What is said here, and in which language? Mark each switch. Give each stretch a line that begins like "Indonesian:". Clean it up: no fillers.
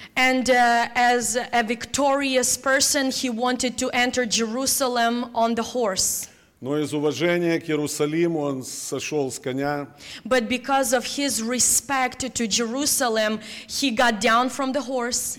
English: And as a victorious person, he wanted to enter Jerusalem on the horse.
Russian: Но из уважения к Иерусалиму он сошел с коня.
English: But because of his respect to Jerusalem, he got down from the horse.